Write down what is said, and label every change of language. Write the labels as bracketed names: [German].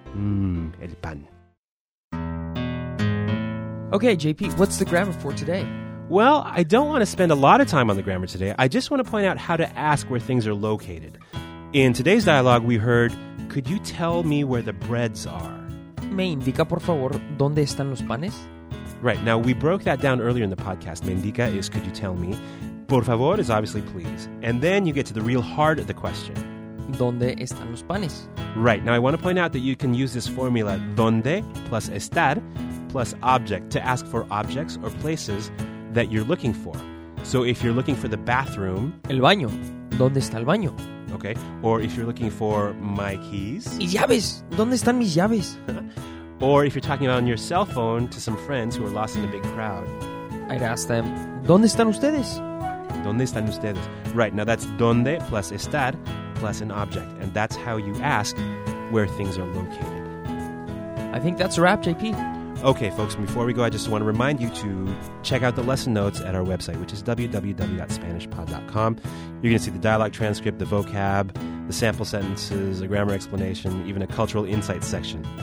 [Spanish] Mmm, el pan. [English] Okay, JP, what's the grammar for today? Well, I don't want to spend a lot of time on the grammar today. I just want to point out how to ask where things are located. In today's dialogue, we heard, could you tell me where the breads are? [Spanish] ¿Me indica, por favor, dónde están los panes? [English] Right. Now, we broke that down earlier in the podcast. [Spanish] Me indica [English] is, could you tell me? Por favor is obviously please. And then you get to the real heart of the question. [Spanish] ¿Dónde están los panes? [English] Right. Now, I want to point out that you can use this formula, ¿dónde plus estar plus object, to ask for objects or places that you're looking for. So if you're looking for the bathroom. [Spanish] El baño. ¿Dónde está el baño? [English] Okay. Or if you're looking for my keys. [Spanish] Mis llaves. ¿Dónde están mis llaves? [English] Or if you're talking about on your cell phone to some friends who are lost in a big crowd. I'd ask them, [Spanish] ¿dónde están ustedes? ¿Dónde están ustedes? [English] Right. Now that's ¿dónde plus estar plus an object. And that's how you ask where things are located. I think that's a wrap, JP. Okay, folks, before we go, I just want to remind you to check out the lesson notes at our website, which is www.spanishpod.com. You're going to see the dialogue transcript, the vocab, the sample sentences, a grammar explanation, even a cultural insight section.